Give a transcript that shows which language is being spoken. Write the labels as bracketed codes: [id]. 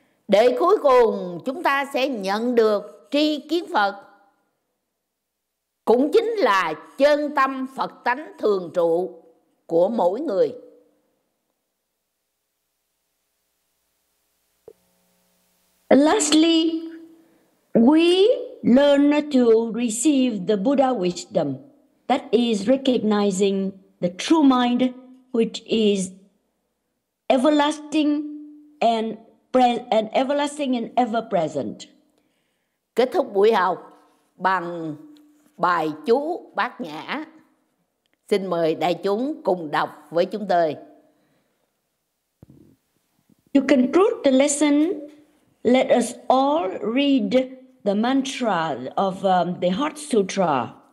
[vi] Để cuối cùng chúng ta sẽ nhận được tri kiến Phật, cũng chính là chân tâm Phật tánh thường trụ của mỗi người. [en] Lastly, we learn to receive the Buddha wisdom, that is recognizing the true mind, which is everlasting and everlasting and ever present. [vi] Kết thúc buổi học bằng bài chú Bát Nhã. Xin mời đại chúng cùng đọc với chúng tôi. [en] To conclude the lesson, let us all read the mantra of the Heart Sutra.